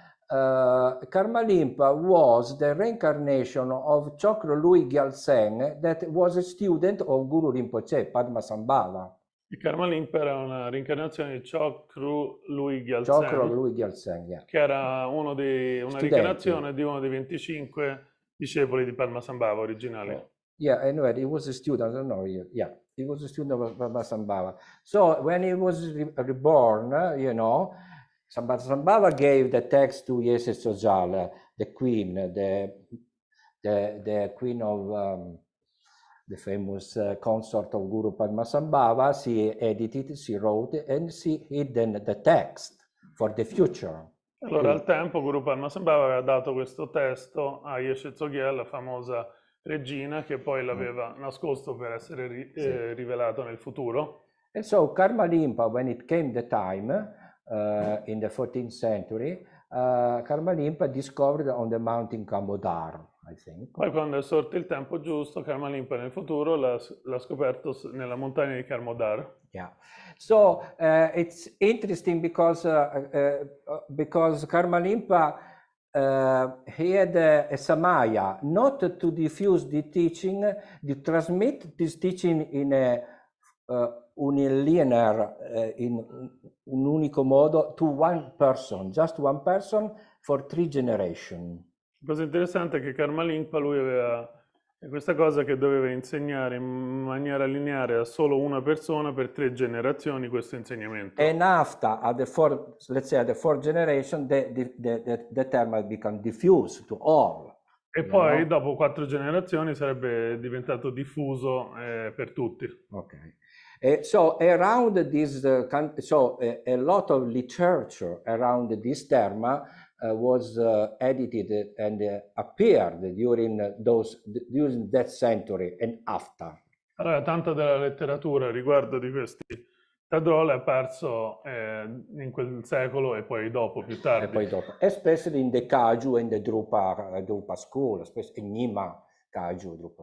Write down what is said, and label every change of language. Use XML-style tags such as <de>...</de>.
<en>Karma Limpa was the reincarnation of Chokro Lui Gyaltsen, that was a student of Guru Rinpoche, Padmasambhava.</en> <it>Il Karma Limpa era una reincarnazione di Chokro Lui Chokro Gyaltsen, Lui Gyaltsen, che era uno dei, una</it> <en>Student.</en> <it>reincarnazione di uno dei 25 discepoli di Padmasambhava originale.</it> <en>Anyway, he was a student, I don't know, he was a student of Padmasambhava. So when he was reborn, you know, Sambhava gave the text to Yesesajala, the queen, the queen of the famous consort of Guru Padmasambhava. She edited, she wrote, and she hidden the text for the future.</en> <it>Allora, al tempo, Guru Padmasambhava aveva dato questo testo a Yeshe Zogyel, la famosa regina, che poi l'aveva nascosto per essere rivelato nel futuro.</it> <en>And so Karma Limpa, when it came the time, in the 14th century, Karma Limpa discovered on the mountain Kamodar, I think.</en> <it>Poi, quando è sorto il tempo giusto, Karma Limpa nel futuro l'ha scoperto nella montagna di Karmodar.</it> <en>So it's interesting because Karma Limpa he had a samaya, not to diffuse the teaching, to transmit this teaching in a unilinear,</en> <it>in un unico modo,</it> <en>to one person, just one person for three generation.</en> <it>Cosa interessante è che Karma Limpa lui aveva questa cosa che doveva insegnare in maniera lineare a solo una persona per 3 generazioni questo insegnamento.</it> <en>And after at the four, let's say at the four generation, the term had become diffused to all,</en> <it>E</it> <en>you</en> <it>poi</it> <en>know?</en> <it>dopo 4 generazioni sarebbe diventato diffuso per tutti.</it> <en>So around this, a lot of literature around this term was edited and appeared during that century and after.</en> <it>Allora, tanta della letteratura riguardo di questi tadrol è apparso in quel secolo e poi dopo, più E tardi. poi dopo,</it> <en>especially in the Kagyu and the Drupa school, especially in Nyingma Kagyu Drupa</en>